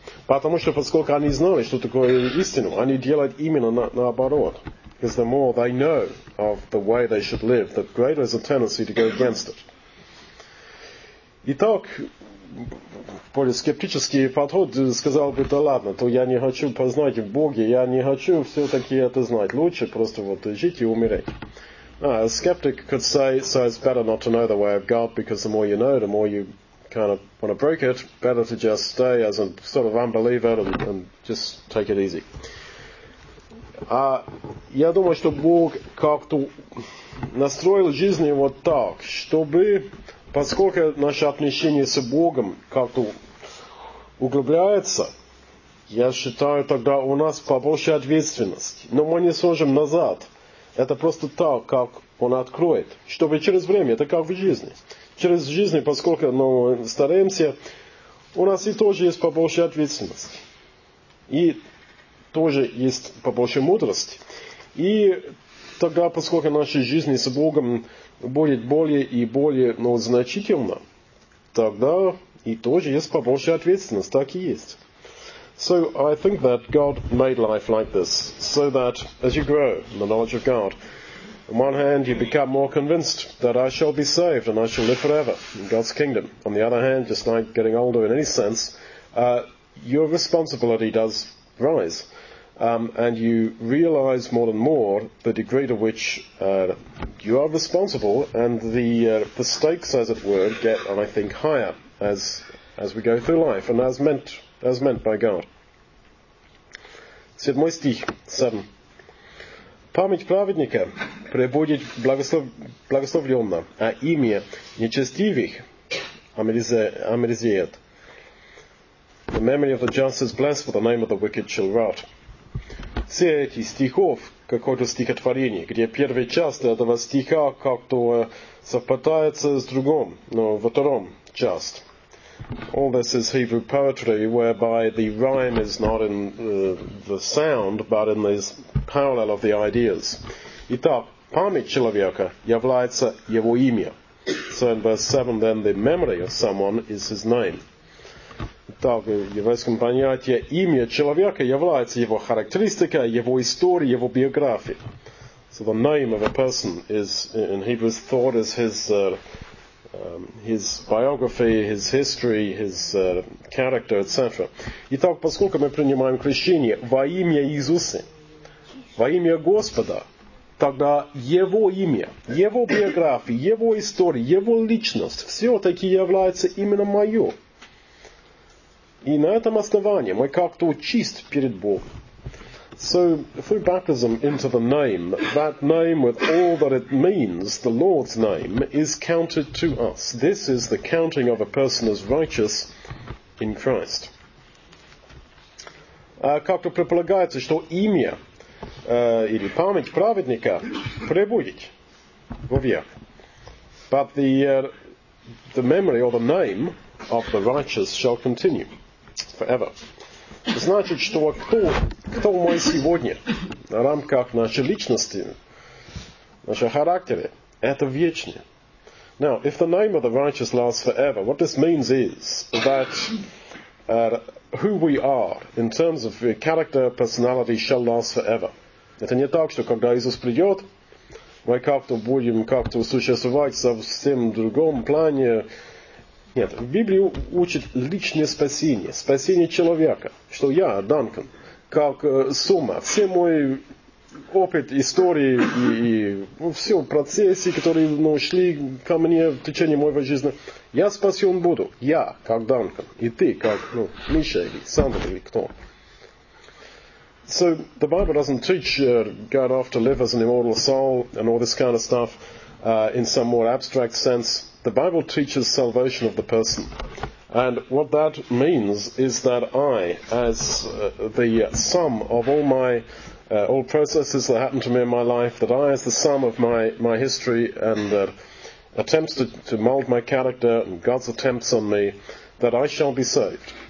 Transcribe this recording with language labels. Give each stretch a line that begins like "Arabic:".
Russian: Потому что поскольку они знали, что такое истину, они делают именно наоборот.
English: Because the more they know of the way they should live, the greater is the tendency to go against it.
Russian: Итак, более скептический подход сказал бы, да ладно, то я не хочу познать Бога, я не хочу все-таки это знать. Лучше просто вот жить и умереть.
English: A skeptic could say, so it's better not to know the way of God, because the more you know, the more you kind of want to break it, better to just stay as a sort of unbeliever and just take it easy.
Russian: Я думаю, что Бог как-то настроил жизнь его так, чтобы, поскольку наше отношение с Богом как-то углубляется, я считаю, тогда у нас побольше ответственности. Но мы не сможем назад. Это просто так, как он откроет. Чтобы через время, это как в жизни. Через жизнь, поскольку мы стараемся, у нас и тоже есть побольше ответственности. И тоже есть побольше мудрости. И тогда, поскольку наша жизнь с Богом будет более и более значительна, тогда и тоже есть побольше ответственности. Так и есть.
English: So I think that God made life like this, so that as you grow in the knowledge of God, on one hand you become more convinced that I shall be saved and I shall live forever in God's kingdom. On the other hand, just like getting older in any sense, your responsibility does rise, and you realize more and more the degree to which you are responsible, and the stakes, as it were, get, I think, higher as we go through life, and as meant by God.
Russian: Седьмой стих, 7. Память праведника пребудет благословленно, а имя нечестивых омерзеет.
English: The memory of the just is blessed, but the name of the wicked shall rot.
Russian: Все эти стихов, какое-то стихотворение, где первая часть этого стиха как-то совпадается с другом, но во втором часть.
English: All this is Hebrew poetry, whereby the rhyme is not in the sound, but in this parallel of the ideas.
Russian: Итак, память человека является его имя.
English: So in verse 7, then the memory of someone is his name.
Russian: Итак, в еврейском понятии имя человека является его характеристика, его история, его биография.
English: So the name of a person is, in Hebrew's thought, is his biography, his history, his character, etc.
Russian: Итак, поскольку мы принимаем крещение во имя Иисуса, во имя Господа, тогда его имя, его биография, его история, его личность все-таки является именно мое. И на этом основании мы как-то чист перед Богом.
English: So, through baptism into the name, that name with all that it means, the Lord's name, is counted to us. This is the counting of a person as righteous in Christ.
Russian: Как-то предполагается, что имя или память праведника пребудет во век.
English: But the memory or the name of the righteous shall continue forever.
Russian: Значит, что кто мы сегодня на рамках нашей личности, нашего характера, это вечное.
English: Now, if the name of the righteous lasts forever, what this means is that who we are in terms of character, personality, shall last forever.
Russian: Это не так, что когда Иисус придет, мы как-то будем как-то существовать в совсем другом плане. Нет, Библия учит личное спасение, спасение человека, что я, Данкан, как сумма, все мой опыт, истории и все процессы, которые шли ко мне в течение моего жизни, я спасен буду, я, как Данкан, и ты, как Миша, или Сандра, или кто.
English: So, the Bible doesn't teach God off to live as an immortal soul and all this kind of stuff in some more abstract sense. The Bible teaches salvation of the person. And what that means is that I, as the sum of all my all processes that happened to me in my life, that I, as the sum of my history and attempts to mold my character and God's attempts on me, that I shall be saved.